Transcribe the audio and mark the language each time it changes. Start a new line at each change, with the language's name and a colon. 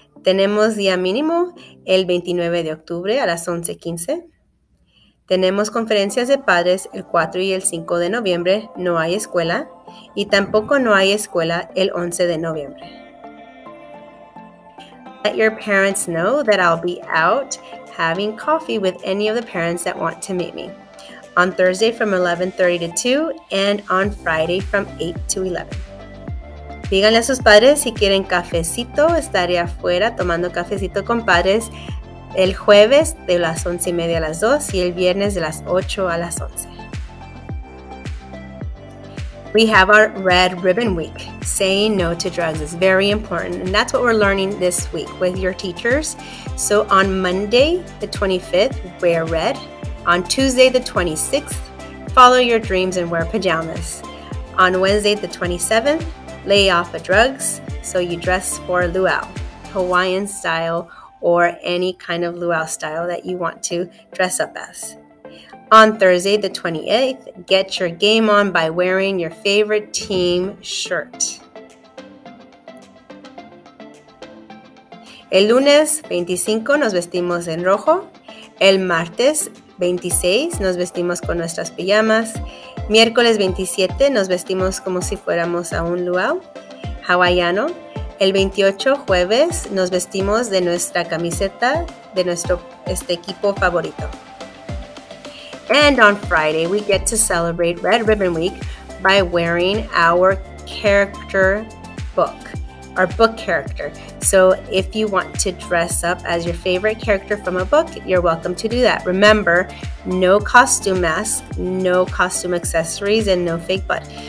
Spanish: Tenemos día mínimo el 29 de octubre a las 11:15. Tenemos conferencias de padres el 4 y el 5 de noviembre. No hay escuela. Y tampoco no hay escuela el 11 de noviembre.
English: Let your parents know that I'll be out having coffee with any of the parents that want to meet me on Thursday from 11:30 to 2 and on Friday from 8 to 11.
Spanish: Díganle a sus padres si quieren cafecito. Estaré afuera tomando cafecito con padres el jueves de las 11:30 a las 2 y el viernes de las 8 a las 11.
English: We have our Red Ribbon Week. Saying no to drugs is very important, and that's what we're learning this week with your teachers. So on Monday, the 25th, wear red. On Tuesday, the 26th, follow your dreams and wear pajamas. On Wednesday, the 27th, lay off of drugs, so you dress for luau, Hawaiian style, or any kind of luau style that you want to dress up as. On Thursday, the 28th, get your game on by wearing your favorite team shirt.
Spanish: El lunes 25 nos vestimos en rojo. El martes 26 nos vestimos con nuestras pijamas. Miércoles 27 nos vestimos como si fuéramos a un luau hawaiano. El 28 jueves nos vestimos de nuestra camiseta de nuestro equipo favorito.
English: And on Friday, we get to celebrate Red Ribbon Week by wearing our character book, our book character. So if you want to dress up as your favorite character from a book, you're welcome to do that. Remember, no costume mask, no costume accessories, and no fake butt.